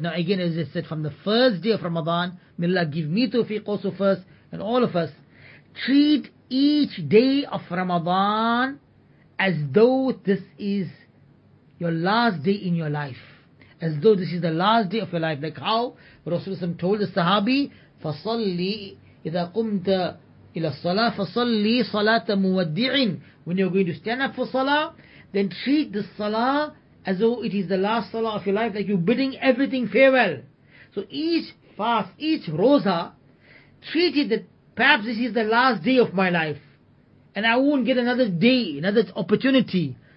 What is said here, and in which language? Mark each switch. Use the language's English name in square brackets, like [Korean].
[English] Now again, as I said, from the first day of Ramadan, may Allah give me tawfiq also first, and all of us, treat each day of Ramadan as though this is your last day in your life. As though this is the last day of your life. Like how Rasulullah told the Sahabi, [Arabic] فَصَلِّي إِذَا قُمْتَ إِلَى الصَّلَاةِ فَصَلِّي صَلَاةَ مُوَدِّعٍ. [English] When you're going to stand up for Salah, then treat the Salah as though it is the last Salah of your life, like you're bidding everything farewell. So each fast, each roza, treat it that perhaps this is the last day of my life, and I won't get another day, another opportunity.